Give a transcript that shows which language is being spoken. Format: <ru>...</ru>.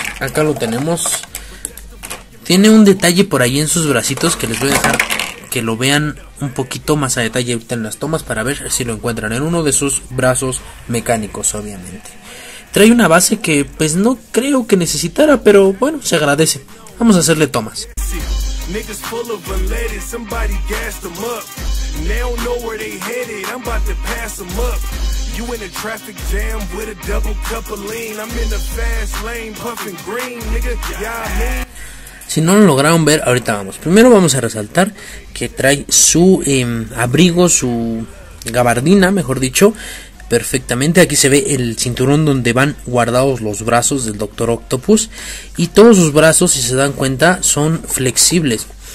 <es>Acá lo tenemos. Tiene un detalle por ahí en sus bracitos que les voy a dejar que lo vean un poquito más a detalle ahorita en las tomas para ver si lo encuentran en uno de sus brazos mecánicos, obviamente. Trae una base que pues no creo que necesitara, pero bueno, se agradece. Vamos a hacerle tomas.</es> <en>Niggas full of Valetti, somebody gassed them up. They don't know where they headed, I'm about to pass them up. You in a traffic jam with a double cup of lean. I'm in the fast lane, puffing green, nigga. Yeah, I mean.</en> <es>Si no lo lograron ver, ahorita vamos. Primero vamos a resaltar que trae su abrigo, su gabardina, mejor dicho, perfectamente. Aquí se ve el cinturón donde van guardados los brazos del Doctor Octopus. Y todos sus brazos, si se dan cuenta, son flexibles.</es>